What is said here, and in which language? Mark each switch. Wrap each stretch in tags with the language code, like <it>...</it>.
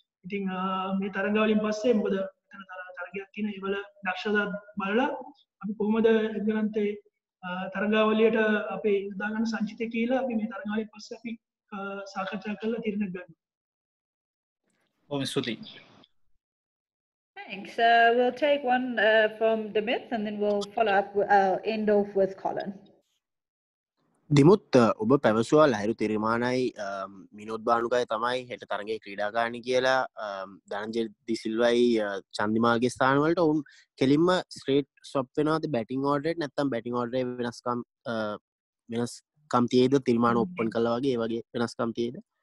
<si>ඉතින් මේ තරගාවලින් පස්සේ මොකද එතන තරගයක් තියෙන ඒවල දක්ෂතා බලලා අපි කොහොමද ඉගලන්තේ තරගාවලියට අපි යොදා ගන්න සංචිතය කියලා අපි මේ තරගාවලින් පස්සේ අපි සාකච්ඡා කරලා තීරණ ගන්නවා.</si> <en>Thanks. We'll take one from Dimuth and then we'll follow up, end off with Colin.</en> <si>Dimuth, ඔබ පැවසුවා ලහිරු තිරිමානයි මිනෝත් බානුකයි තමයි හෙට තරගයේ ක්‍රීඩාකාරිනි කියලා ධනංජය දි සිල්වායි චන්දිමාල්ගේ ස්ථානවලට ඔවුන් කෙලින්ම ස්ට්‍රේට් ස්වප් වෙනවාද බැටින් ඕඩරේට නැත්නම් බැටින් ඕඩරේ වෙනස්කම් වෙනස්කම් තියේද තිරිමාන ඕපන් කළා වගේ ඒ වගේ වෙනස්කම් තියේද</si>